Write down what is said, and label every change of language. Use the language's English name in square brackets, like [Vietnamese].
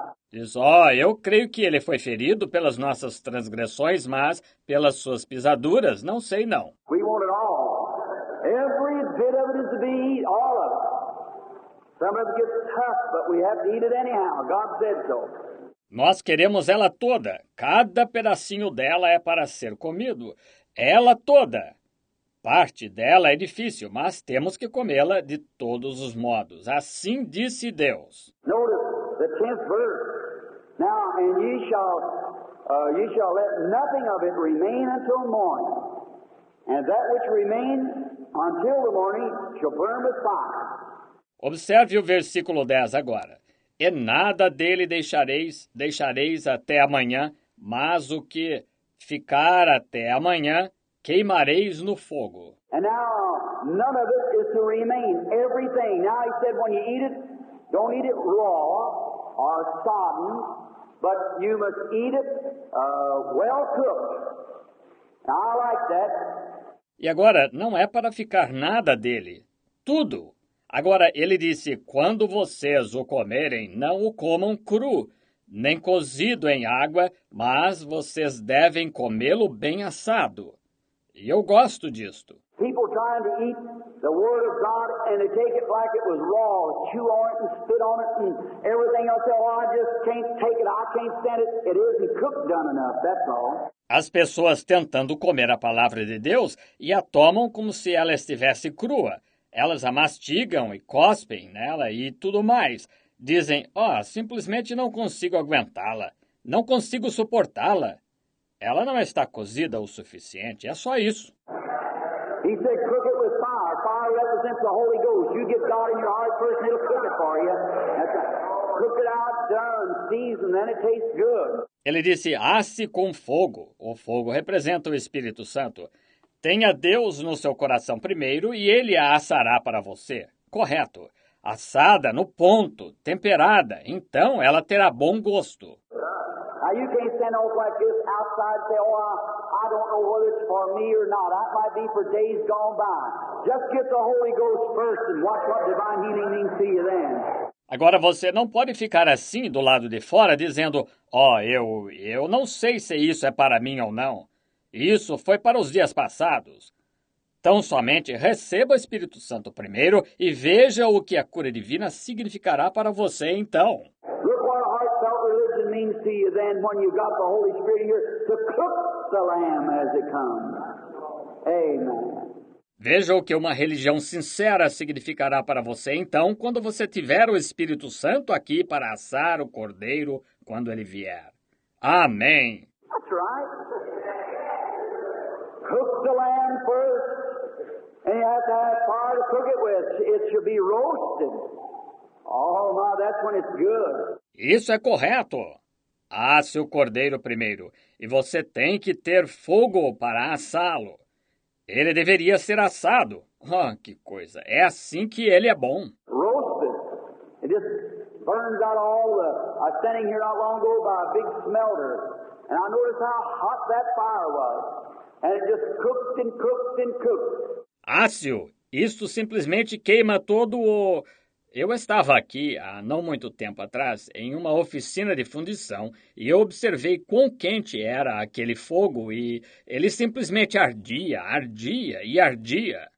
[Portuguese] Diz, eu creio que ele foi ferido pelas nossas transgressões, mas pelas suas pisaduras, não sei não. [English] We want it all. Every bit of it is to be eaten, all of it. Some of it gets tough, but we have to eat it anyhow. God said so. [Portuguese] Nós queremos ela toda. Cada pedacinho dela é para ser comido. Ela toda. Parte dela é difícil, mas temos que comê-la de todos os modos. Assim disse Deus. [English] Notice the 10th verse. Now, and ye shall let nothing of it remain until morning. And that which remains until the morning shall burn with fire. [Portuguese] Observe o versículo 10 agora. E nada dele deixareis até amanhã, mas o que ficar até amanhã, queimareis no fogo. [English] And now, none of it is to remain. Everything. Now, he said, when you eat it, don't eat it raw or sodden, but you must eat it well cooked. Now, I like that. [Portuguese] E agora, não é para ficar nada dele. Tudo. Agora, ele disse, quando vocês o comerem, não o comam cru, nem cozido em água, mas vocês devem comê-lo bem assado. E eu gosto disto. [English] People trying to eat the word of God and to take it like it was raw, chew on it and spit on it and everything else. Say, oh, I just can't take it. I can't stand it. It isn't cooked done enough. That's all. [Portuguese] As pessoas tentando comer a palavra de Deus e a tomam como se ela estivesse crua. Elas a mastigam e cospem nela e tudo mais. Dizem, oh, simplesmente não consigo aguentá-la. Não consigo suportá-la. Ela não está cozida o suficiente, é só isso. [English] He said, cook it with fire. Fire represents the Holy Ghost. You get God in your heart first and it'll cook it for you. That's right. Cook it out, done, seasoned, then it tastes good. [Portuguese] Ele disse, asse com fogo. O fogo representa o Espírito Santo. Tenha Deus no seu coração primeiro e ele a assará para você. Correto. Assada no ponto, temperada, então ela terá bom gosto. [English] Now you can't stand off like this outside and say, oh, I don't know whether it's for me or not. That might be for days gone by. Just get the Holy Ghost first and watch what divine healing means to you then. [Portuguese] Agora você não pode ficar assim do lado de fora dizendo, eu não sei se isso é para mim ou não. Isso foi para os dias passados. Tão somente receba o Espírito Santo primeiro e veja o que a cura divina significará para você então. [English] Look what a heartfelt religion means to you then when you've got the Holy Spirit here to cook the lamb as it comes. Amen. [Portuguese] Veja o que uma religião sincera significará para você, então, quando você tiver o Espírito Santo aqui para assar o cordeiro quando ele vier. Amém! [English] That's right. Cook the lamb first, and you have to have fire to cook it with. It should be roasted. Oh, my, that's when it's good. [Portuguese] Isso é correto. Asse o cordeiro primeiro, e você tem que ter fogo para assá-lo. Ele deveria ser assado. Oh, que coisa. É assim que ele é bom. [English] Roasted. It just burns out all the... I was standing here not long ago by a big smelter. And I noticed how hot that fire was. And it just cooked and cooked and cooked. [Portuguese] Ácio, isso simplesmente queima todo o... Eu estava aqui, há não muito tempo atrás, em uma oficina de fundição, e eu observei quão quente era aquele fogo, e ele simplesmente ardia, ardia e ardia.